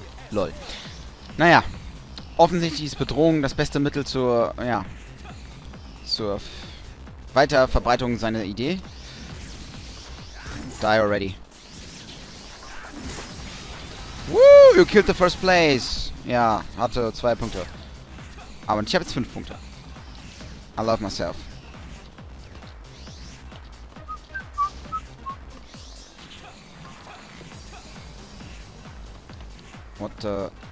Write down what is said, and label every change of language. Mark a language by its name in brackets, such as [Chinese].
[German] Lol. Naja. Offensichtlich ist Bedrohung das beste Mittel zur, ja, zur Weiterverbreitung seiner Idee. [English] Die already. Woo, you killed the first place. [German] Ja, hatte 2 Punkte. Aber ich habe jetzt 5 Punkte. [English] I love myself. What the...